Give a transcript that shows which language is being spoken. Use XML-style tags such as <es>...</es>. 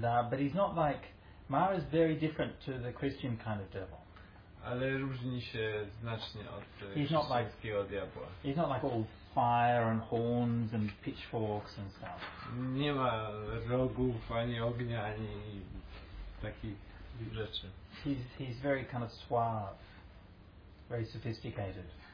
<en>But he's not like, Mara is very different to the Christian kind of devil.</en> <pl>Ale różni się znacznie od chrześcijańskiego diabła.</pl> <en>He's not like all fire and horns and pitchforks and stuff.</en> <pl>Nie ma rogów, ani ognia, ani takich rzeczy.</pl> <en>He's very kind of suave, very sophisticated.</en>